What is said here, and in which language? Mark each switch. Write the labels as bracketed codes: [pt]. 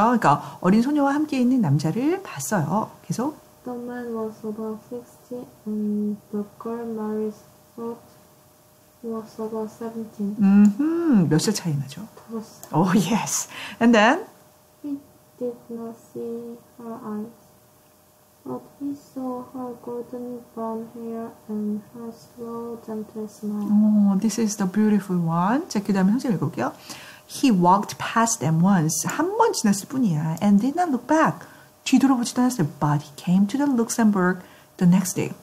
[ko] 그러니까 어린 소녀와 함께 있는 남자를 봤어요. 계속. [en] The man was about 60 and the girl Marius was about 17. [ko] 몇 살 차이 나죠? 5살. [en] Oh, yes. And then? He did not see her eyes. But he saw her golden brown hair and her slow, gentle smile. Oh, this is the beautiful one. [ko] 자, 그 다음에 선생님 읽어볼게요. [en] He walked past them once. [ko] 한 번 지났을 뿐이야. [en] And did not look back. [ko] 뒤돌아보지도 않았어요. [en] But he came to the Luxembourg the next day.